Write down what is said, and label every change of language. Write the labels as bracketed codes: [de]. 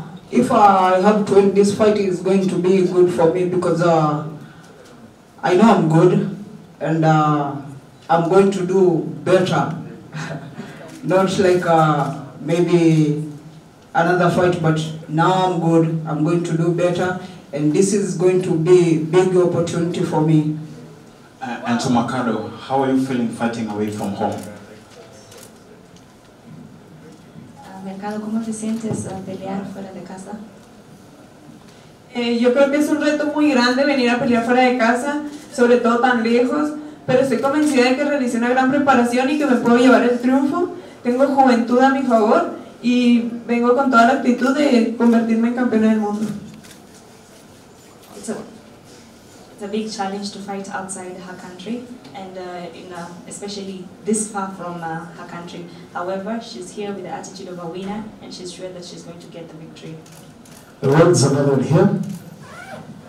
[en] If I have to win this fight, it's going to be good for me because I know I'm good and I'm going to do better. Not like maybe another fight, but now I'm good. I'm going to do better, and this is going to be a big opportunity for me. And to Mercado, how are you feeling fighting away from home? [es] Mercado, ¿cómo te sientes a pelear fuera de casa? Yo creo que es un reto muy grande venir a pelear fuera de casa, sobre todo tan lejos, pero estoy convencida de que realicé una gran preparación y que me puedo llevar el triunfo. Tengo juventud a mi favor y vengo con toda la actitud de convertirme en campeona del mundo. [en] It's a big challenge to fight outside her country, and especially this far from her country. However, she's here with the attitude of a winner, and she's sure that she's going to get the victory. The world's another one here.